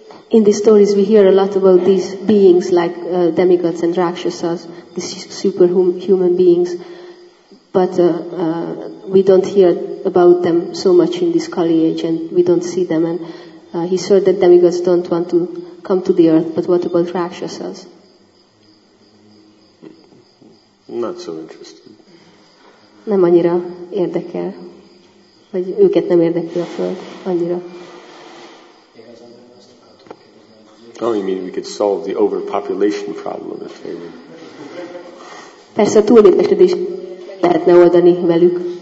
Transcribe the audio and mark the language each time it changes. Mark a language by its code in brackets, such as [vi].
[en] In these stories, we hear a lot about these beings like demigods and rakshasas, these superhuman beings. But we don't hear about them so much in this Kali Age, and we don't see them. And he's heard that demigods don't want to come to the earth, but what about rakshasas? Not so interested. [hu] Nem annyira érdekel, vagy őket nem érdekel a föld annyira. [en] Oh, you mean we could solve the overpopulation problem if they were. [hu] Persze, túlnépesedés lehetne oldani velük.